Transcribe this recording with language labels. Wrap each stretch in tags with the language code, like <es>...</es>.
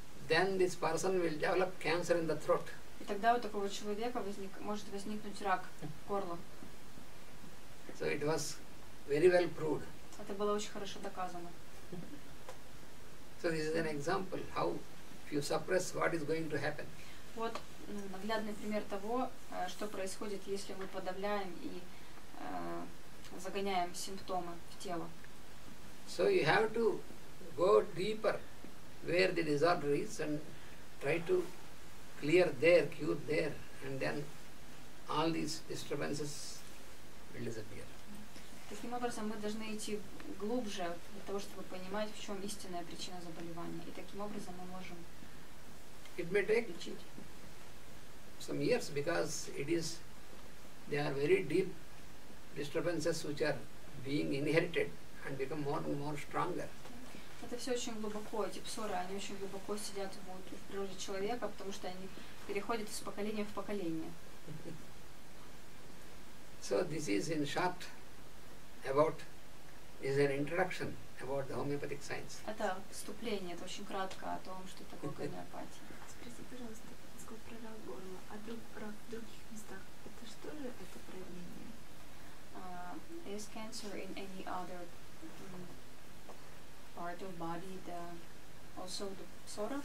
<en>then this person will develop cancer in the throat.</en> <ru>И тогда у такого человека может возникнуть рак горла.</ru> <en>So it was very well proved.</en> <ru>Это было очень хорошо доказано.</ru> <en>So this is an example how if you suppress what is going to happen.</en> <ru>Вот наглядный пример того, что происходит, если мы подавляем и загоняем симптомы в тело.</ru> <en>So you have to go deeper where the disorder is and try to clear there, cure there, and then all these disturbances will disappear.</en> <ru>Таким образом, мы должны идти глубже для того, чтобы понимать, в чем истинная причина заболевания. И таким образом мы можем лечить.</ru> <en>It may take some years because they are very deep disturbances which are being inherited and become more and more stronger.</en> <ru>Это все очень глубоко, эти псоры, они очень глубоко сидят в природе человека, потому что они переходят из поколения в поколение.</ru> <en>So this is in short about is an introduction about the homeopathic science.</en> <ru>Это вступление, это очень кратко о том, что такое гомеопатия. Скажите, пожалуйста, сколько про рак горла, а рак в других местах, это что же это проявление?</ru> <en>Is cancer in any other part of body the also the psora?</en>